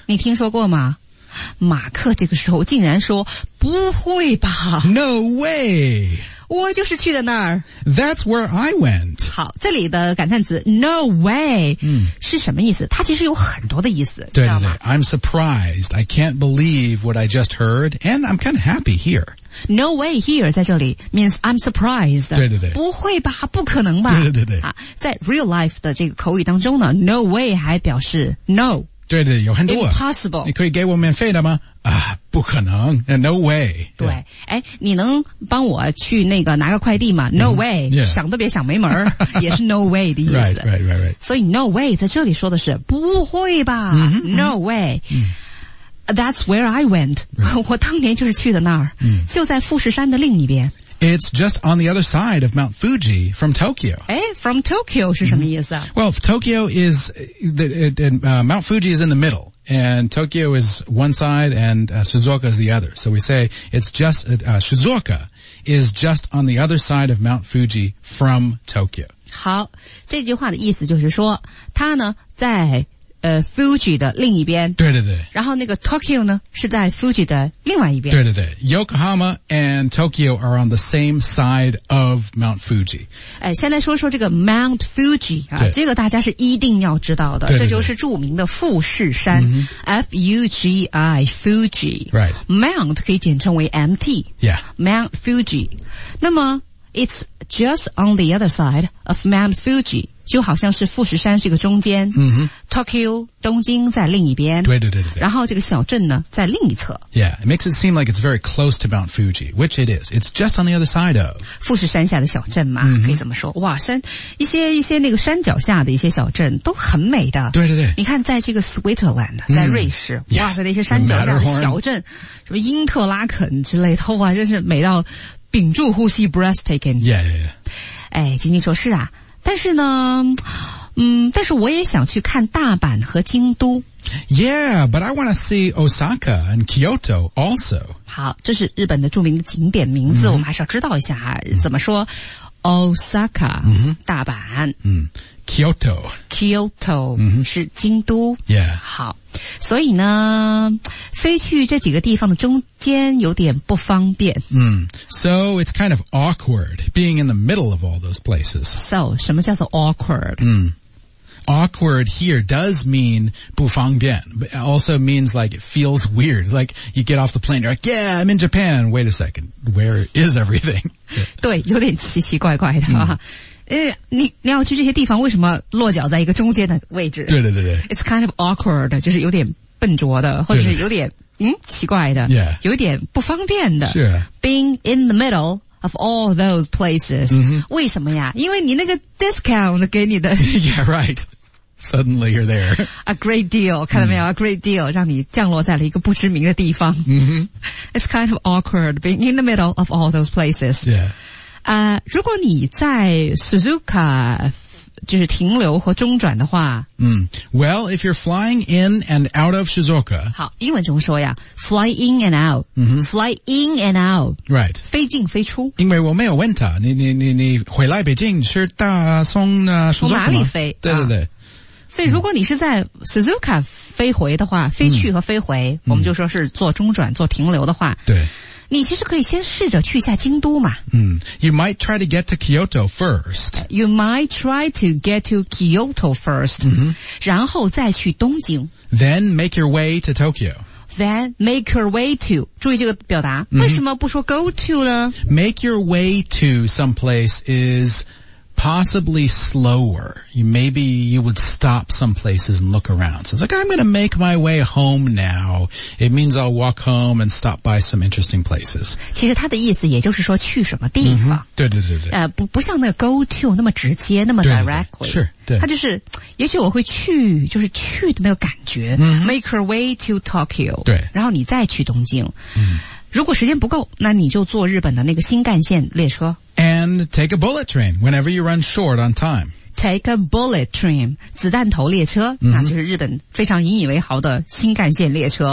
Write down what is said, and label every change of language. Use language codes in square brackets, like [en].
[zh] 你听说过吗马克这个时候竟然说不会吧 [en] No way [zh] 我就是去的那儿 [en] That's where I went [zh] 好这里的感叹词 [en] No way [zh] 是什么意思它其实有很多的意思对对对 [en] I'm surprised I can't believe what I just heard And I'm kind of happy here No way here [zh] 在这里 [en] means I'm surprised [zh] 对对对不会吧不可能吧对对对对、啊、在 real life 的这个口语当中呢 [en] No way [zh] 还表示 No 对对有很多 [en] Impossible [zh] 你可以给我免费的吗啊不可能 [en] No way [zh] 对哎，你能帮我去那个拿个快递吗 [en] No way、 [zh] 想都别想没门也是 No way 的意思 [en] right. [zh] 所以 No way 在这里说的是不会吧、 [en] No way、That's where I went、 [zh] 我当年就是去的那儿、就在富士山的另一边 [en] It's just on the other side of Mount Fuji from Tokyo [zh] 哎 [en] from Tokyo [zh] 是什么意思、 [en] Well Tokyo is Mount Fuji is in the middle And Tokyo is one side and Shizuoka is the other So we say it's just Shizuoka is just on the other side of Mount Fuji from Tokyo [zh] 好这句话的意思就是说它呢在Fuji 的另一边对对对然后那个 Tokyo 呢是在 Fuji 的另外一边对对对 [en] Yokohama and Tokyo are on the same side of Mount Fuji [zh] 先来说说这个 Mount Fuji 啊，这个大家是一定要知道的对对对这就是著名的富士山 F-U-G-I Fuji [en] Right [zh] Mount 可以简称为 MT [en] Yeah [zh] Mount Fuji 那么 [en] It's just on the other side of Mount Fuji [zh] 就好像是富士山是一个中间、Tokyo 东京在另一边对对对对然后这个小镇呢在另一侧 [en] Yeah, it makes it seem like it's very close to Mount Fuji which it is it's just on the other side of [zh] 富士山下的小镇嘛、可以怎么说哇山一些那个山脚下的一些小镇都很美的对对对你看在这个 Switzerland 在瑞士、哇在那些山脚下的小镇什么英特拉肯之类的哇真是美到屏住呼吸 breathtaking [en] Yeah, yeah, yeah [zh] 仅仅说是啊但是呢但是我也想去看大阪和京都。 [en] Yeah, but I want to see Osaka and Kyoto also. [zh] 好这是日本的著名的景点名字、我们还是要知道一下怎么说 Osaka,、大阪。 [en] 嗯Kyoto. [zh] Kyoto, mm-hmm. 是京都。 [en] Yeah. [zh] 好。所以呢，飞去这几个地方的中间有点不方便。 Mm. [en] So it's kind of awkward being in the middle of all those places. [zh] So, 什么叫做 awkward? [en] Mm. Awkward here does mean [zh] 不方便, [en] but it also means like it feels weird. It's like you get off the plane, you're like, yeah, I'm in Japan. Wait a second, where is everything? [zh] 对，有点奇奇怪怪的啊。你要去这些地方，为什么落脚在一个中间的位置？对对对对。 [en] It's kind of awkward, [zh] 就是有点笨拙的，或者是有点奇怪的， [en] yeah. [zh] 有点不方便的。 [en] Sure. Being in the middle. Of all those places,、 mm-hmm. [zh] 为什么呀？因为你那个 discount 给你的 [en] ，Yeah, right. Suddenly you're there. A great deal, [zh] 看到没有、mm-hmm. ？A great deal 让你降落在了一个不知名的地方。 Mm-hmm. [en] It's kind of awkward being in the middle of all those places. Yeah. [zh] 如果你在 Suzuka 就是停留和中转的话， [en] Well, if you're flying in and out of Shizuoka, [zh] 好，英文怎么说呀 ？ [en] Fly in and out,、 mm-hmm. fly in and out, right? [zh] 飞进飞出。因为我没有问他，你回来北京是打算啊？从哪里飞？对对对、啊。所以如果你是在 Suzuoka 飞回的话，飞去和飞回，我们就说是做中转、做停留的话，对。你其实可以先试着去一下京都嘛。 [en] You might try to get to Kyoto first. You might try to get to Kyoto first.、 Mm-hmm. [zh] 然后再去东京。 [en] Then make your way to Tokyo. Then make your way to. [zh] 注意这个表达、mm-hmm. 为什么不说 go to 呢 [en] ?Make your way to someplace is... Possibly slower. Maybe you would stop some places and look around. So it's like, I'm going to make my way home now. It means I'll walk home and stop by some interesting places. [zh] 其实他的意思也就是说去什么地方。 Mm-hmm. 对对对对。不像那个 go to 那么直接那么 directly. 对对对是他就是也许我会去就是去的那个感觉、 mm-hmm. [en] make her way to Tokyo [zh] 对然后你再去东京、 mm-hmm. 如果时间不够那你就坐日本的那个新干线列车 [en] and take a bullet train whenever you run short on time take a bullet train [zh] 子弹头列车、 mm-hmm. 那就是日本非常引以为豪的新干线列车